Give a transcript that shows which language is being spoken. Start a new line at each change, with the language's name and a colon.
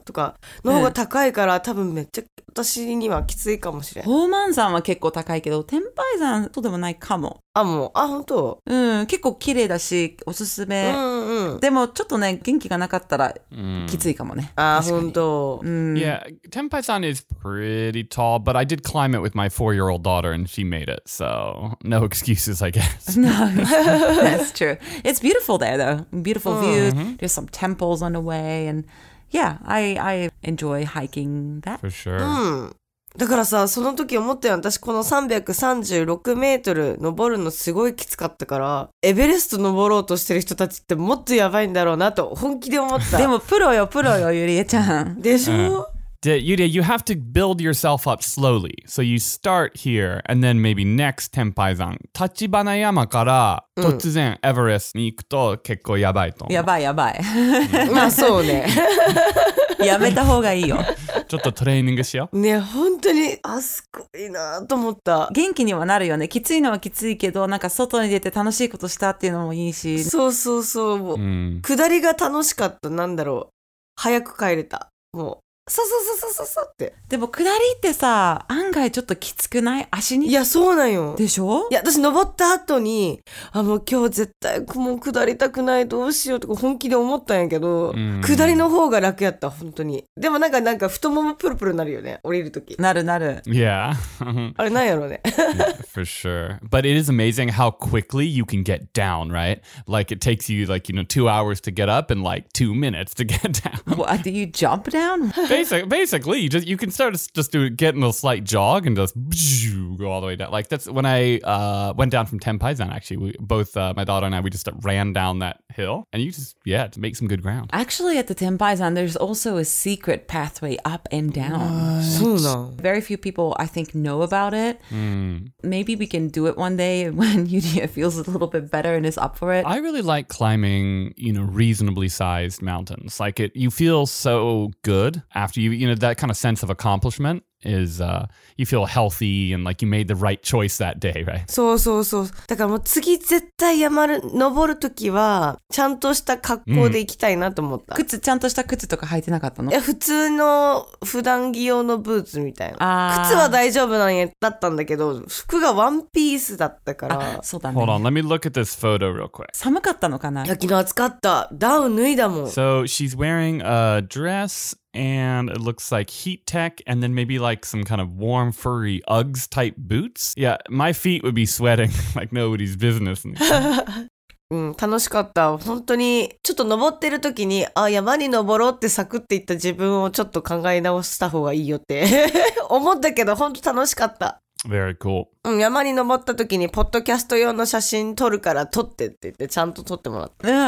Japanese: とかの方が高いから、多分めっちゃ私にはきついかもしれん。宝満山は結構高いけど、天拝山とでもないかも。あ、もう、あ、本当。うん、結構綺麗だし、おすすめ。うんうん。でもちょっとね、元気がなかったらきついかもね。あ、本当。
English: Yeah, 天拝山 is pretty tall, but I did climb it with my 4-year-old daughter and she made it, so no excuses, I guess. No, that's true. It's beautiful there though. Beautiful views. There's some temples on the way and... Yeah, I enjoy hiking that. For sure.
Japanese: だからさ、その時思ったよ。私この336メートル登るのすごいきつかったから、エベレスト登ろうとしてる人たちってもっとやばいんだろうなと本気で思った。でもプロよ、プロよ、ゆりえちゃん。でしょ？
English: Yuria, you have to build yourself up slowly. So you start here, and then maybe next Tenpaizan.
Japanese: Tachibana Yama から突然 Everest に行くと結構やばいと思う。やばいやばい。まあそうね。やめた方がいいよ。ちょっとトレーニングしよう。ね、本当にあすごいなと思った。元気にはなるよね。きついのはきついけど、なんか外に出て楽しいことしたっていうのもいいし。そうそうそう。下りが楽しかった。なんだろう。早く帰れた。もう。そうそうそうそうそうって。でも下りってさ、案外ちょっときつくない？足に。いや、そうなんよ。でしょ？いや、私登った後に、あ、もう今日絶対もう下りたくない、どうしようとか本気で思ったんやけど、下りの方が楽やった、本当に。でもなんか太ももプルプルなるよね、降りるとき。なるなる。
English: Yeah.
Japanese: あれなんやろうね。
English: Yeah, for sure. But it is amazing how quickly you can get down, right? Like it takes you like, you know, 2 hours to get up and like 2 minutes to get down. What, do you jump down? Basically, you can start just getting a slight jog and just go all the way down. Like, that's when I went down from Tenpaizan, actually. My daughter and I, we just ran down that hill. And you just, yeah, make some good ground. Actually, at the Tenpaizan, there's also a secret pathway up and down. Very few people, I think, know about it. Maybe we can do it one day when Yuria feels a little bit better and is up for it. I really like climbing, you know, reasonably sized mountains. Like, you feel so good. After you know, that kind of sense of accomplishment is, you feel healthy and like you made the right choice that day, right?
Japanese: そうそうそう。だからもう次絶対登るときは、ちゃんとした格好で行きたいなと思った。靴、ちゃんとした靴とか履いてなかったの？いや、普通の普段着用のブーツみたいな。靴は大丈夫なんやだったんだけど、服がワンピースだったから。あ、そうだね。
English: Hold on, let me look at this photo real quick.
Japanese: 寒かったのかな？いや、昨日暑かった。ダウン脱いだもん。
English: So she's wearing a dress... And it looks like heat tech, and then maybe like some kind of warm, furry Uggs type boots. Yeah, my feet would be sweating like nobody's business.
Japanese: うん、楽しかった。本当に、ちょっと登ってる時に、あ、山に登ろうってサクって言った自分をちょっと考え直した方がいいよって思ったけど、本当楽しかった。
English: Very cool.
Japanese: うん、山に登った時にポッドキャスト用の写真撮るから撮ってって言ってちゃんと撮ってもらった。